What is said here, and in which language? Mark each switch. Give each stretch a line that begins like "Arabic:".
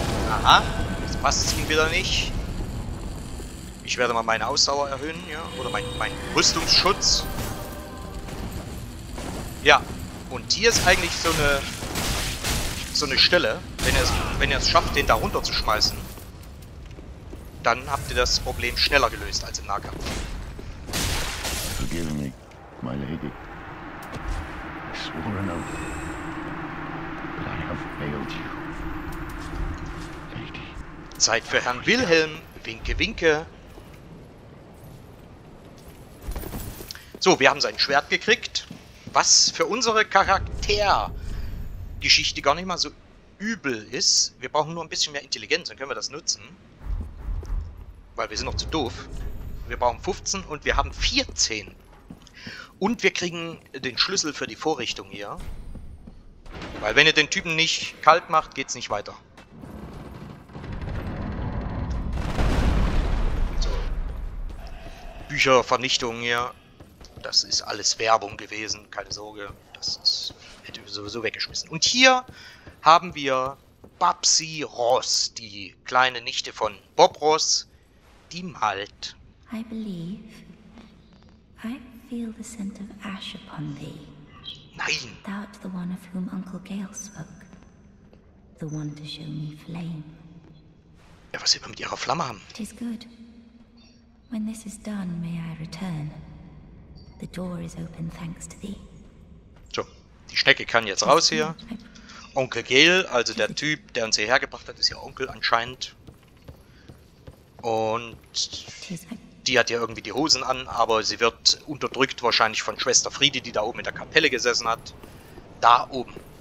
German: Aha, jetzt passt es ihm wieder nicht. Ich werde mal meine Ausdauer erhöhen, ja, oder mein Rüstungsschutz. Ja, und hier ist eigentlich so eine Stelle, wenn ihr es schafft, den da runter zu schmeißen, dann habt ihr das Problem schneller gelöst als im Nahkampf.
English: Forgive me, my lady. I swore an oath, but I have failed you.
German: Lady. Zeit für Herrn Wilhelm. Winke, winke. So, wir haben sein Schwert gekriegt. Was für unsere Charaktergeschichte gar nicht mal so übel ist. Wir brauchen nur ein bisschen mehr Intelligenz, dann können wir das nutzen. Weil wir sind noch zu doof. Wir brauchen 15 und wir haben 14. Und wir kriegen den Schlüssel für die Vorrichtung hier. Weil wenn ihr den Typen nicht kalt macht, geht's nicht weiter. So. Büchervernichtung hier. Das ist alles Werbung gewesen. Keine Sorge. Das hätte ich sowieso weggeschmissen. Und hier... haben wir Babsi Ross, die kleine Nichte von Bob Ross, die malt.
English: I believe. I feel the scent of ash upon thee.
German: Nein.
English: Thou art the one of whom Uncle Gale spoke. The one to show me flame.
German: Ja, was will man mit ihrer Flamme haben?
English: It is good. When this is done, may I return. The door is open thanks to thee.
German: So, die Schnecke kann jetzt raus hier. Onkel Gale, also der Typ, der uns hierher gebracht hat, ist ja Onkel anscheinend. Und die hat ja irgendwie die Hosen an, aber sie wird unterdrückt wahrscheinlich von Schwester Friede, die da oben in der Kapelle gesessen hat. Da oben.